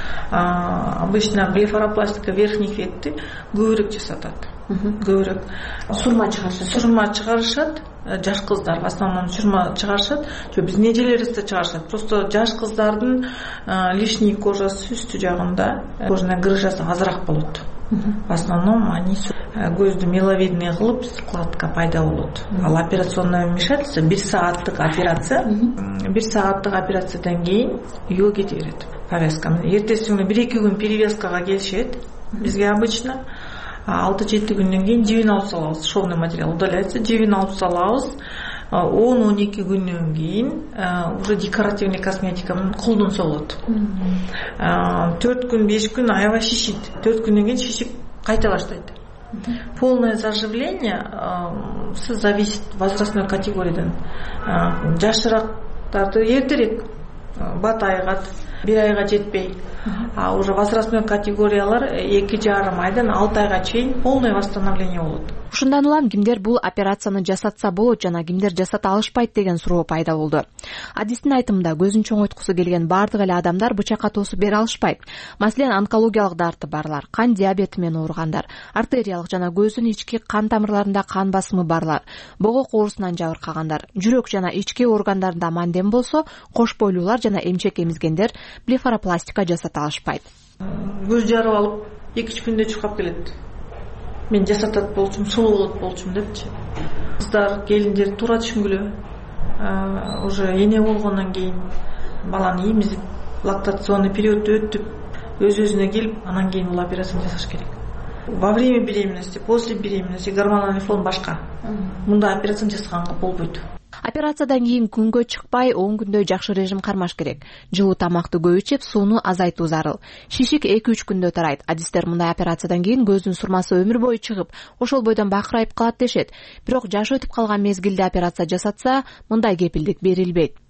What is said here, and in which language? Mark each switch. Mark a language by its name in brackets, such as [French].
[Russian] Обычно блефаропластика верхний векти [Kyrgyz] көбүрөөк жасатат. Көбүрөөк сурма чыгарышат. Сурма чыгарышат. Жаш кыздар [Russian] в основном [Kyrgyz] сурма чыгарышат. Жок, биз нежелерибизди чыгарышат. [Russian] Просто [Kyrgyz] жаш кыздардын лишний кожасы үстү жагында кожанын грыжасы азыраак болот. [Russian] В основном они [Kyrgyz] көздү [Russian] миловидный кылып складка [Kyrgyz] пайда болот. Ал [Russian] операционное вмешательство [Kyrgyz] 1 сааттык операция. 1 сааттык операциядан кийин үйгө кете берет. Повязка. Эртеси күнү 1-2 күн перевязкага келишет. Бизге обычно 6-7 күндөн кийин жибин алып салабыз, [Russian] шовный материал удаляется, [Kyrgyz] жибин алып салабыз. 10-12 күндөн кийин [Russian] уже декоративный косметика [Kyrgyz] колдонсо болот. 4 күн, 5 күн аябай шишит. 4 күндөн кийин шишип кайта баштайт. [Russian] Полное заживление зависит возрастной категориядан. [Kyrgyz] Жашыраактарды эртерээк бат айгат. 1 айга жетпей, [Russian] а уже возрастной [Kyrgyz] категориялар 2,5 айдан 6 айга чейин [Russian] полный восстановление [Kyrgyz] болот. Ушундан улам кимдер бул операцияны жасатса болот жана кимдер жасата алышпайт деген суроо пайда болду. Адистин айтымында көзүн чоңойткусу келген бардык эле адамдар бычакка тосуп бере алышпайт. Маселен, онкологиялык дарты барлар, кан диабети менен ооругандар, артериялык жана көздүн ички кан тамырларында кан басымы барлар, богок оорусунан жабыркагандар, жүрөк жана ички органдарында мандем болсо, кош бойлуулар жана эмчек эмизгендер блефаропластика жасата алышпайт. Көз жарып алып 2-3 күндө чуркап келет. Мен жасатат болчумун, сулуу болот болчумун депчи. Кыздар, келиндер туура түшүнгүлө. Уже эне болгондон кийин баланы эмизип, лактационный периодду өттүп, өз-өзүнө келип, анан кийин бул операцияны жасаш керек. [Russian] Во время беременности, после беременности гормональный фон башка. [Kyrgyz] Мындай операцияны жасаганга болбойт. Операциядан кийин күнгө чыкпай 10 күндө жакшы режим кармаш керек. Жылуу тамакты көп ичип, сууну азайтуу зарыл. Шишик 2-3 күндө тарайт. Адистер мындай операциядан кийин көздүн сурмасы өмүр бою чыгып, ошол бойдон бакырайып калат дешет. Бирок жаш өтүп калган мезгилде операция жасатса, мындай кепилдик берилбейт.